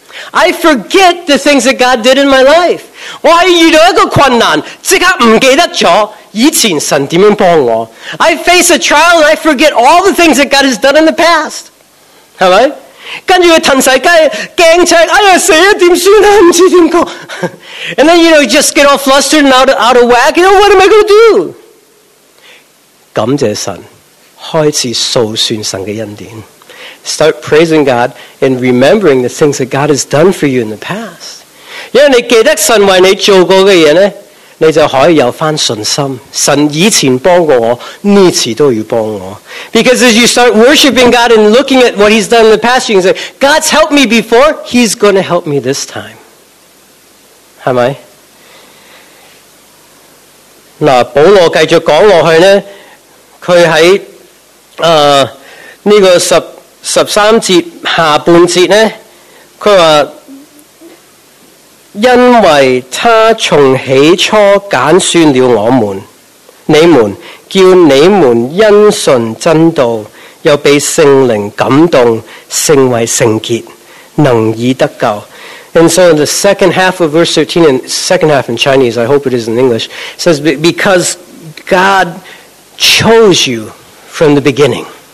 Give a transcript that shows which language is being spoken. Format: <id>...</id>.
<en>I forget the things that God did in my life.</en> <zh>我遇到一个困难, 立刻忘记了, 以前神怎么帮我?</zh> <en>I face a trial and I forget all the things that God has done in the past.</en> <zh>是吧? 跟着他腾世界,惊惊, 哎呀,死了,怎么办? 不知道怎么办?</zh> <en>And then, you know, you just get all flustered and out of whack. You know, what am I going to do?</en> <zh>感谢神, 开始数算神的恩典,</zh> <en>start praising God and remembering the things that God has done for you in the past.</en> <zh>因为你记得神为你做过的事呢, 你就可以有信心,神以前帮过我,这次都要帮我。</zh> <en>Because as you start worshiping God and looking at what He's done in the past, you can say, God's helped me before, He's going to help me this time.</en> <zh>是吗? 那保罗继续讲下去呢, 他在这个十三节下半节呢, 他说, 因为他从起初拣选了我们,你们,叫你们因信真道,又被圣灵感动,成为圣洁,能以得救.</zh> <en>And so the second half of verse 13, and second half in Chinese, I hope it is in English, says, because God chose you from the beginning.</en>